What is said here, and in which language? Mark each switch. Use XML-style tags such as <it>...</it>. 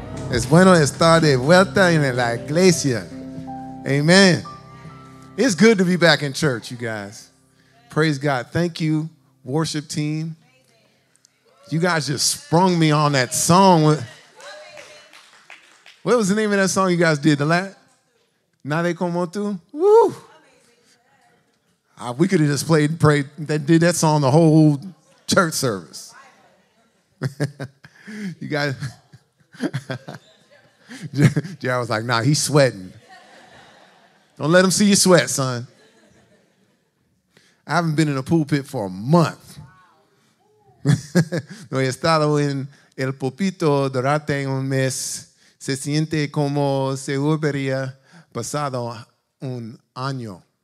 <es>Es bueno estar de vuelta en la iglesia.</es> <en>Amen. It's good to be back in church, you guys. Praise God. Thank you, worship team. You guys just sprung me on that song. What was the name of that song you guys did? The last? Nadie como tú? Woo! We could have just did that song the whole church service. You guys. Jared was like, nah, he's sweating. Don't let him see you sweat, son. I haven't been in a pulpit for a month.</en> <es>No he estado en el pulpito durante un mes. Se siente como se hubiera pasado un año.</es>